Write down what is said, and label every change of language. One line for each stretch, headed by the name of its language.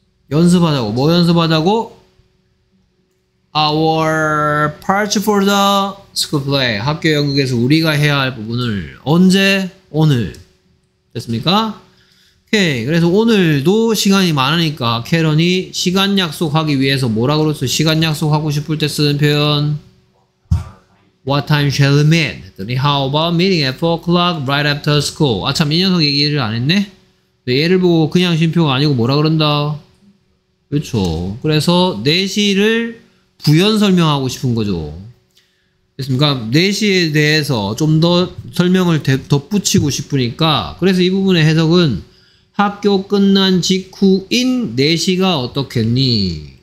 Korean: 연습하자고. 뭐 연습하자고?
English: Our part for the school play.
Korean: 학교 연극에서 우리가 해야 할 부분을 언제? 오늘. 됐습니까? 오케이. 그래서 오늘도 시간이 많으니까 캐런이 시간 약속하기 위해서 뭐라 그랬어? 시간 약속하고 싶을 때 쓰는 표현.
English: What time shall we meet? How about meeting at 4 o'clock right after school?
Korean: 아 참 이 녀석 얘기를 안 했네? 얘를 보고 그냥 쉼표가 아니고 뭐라 그런다? 그렇죠. 그래서 4시를 부연 설명하고 싶은 거죠. 됐습니까? 4시에 대해서 좀 더 설명을 덧붙이고 싶으니까 그래서 이 부분의 해석은 학교 끝난 직후인 4시가 어떻겠니?